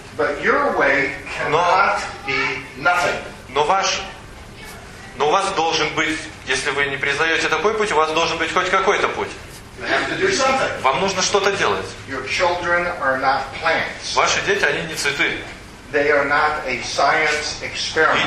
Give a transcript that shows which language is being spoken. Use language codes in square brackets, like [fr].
[en] But your way cannot be nothing. [ru] Но ваш, но у вас должен быть, если вы не признаете такой путь, у вас должен быть хоть какой-то путь. [en] You have to do something. [ru] Вам нужно что-то делать. [en] Your children are not plants. [ru] Ваши дети, они не цветы. [en] They are not a science experiment.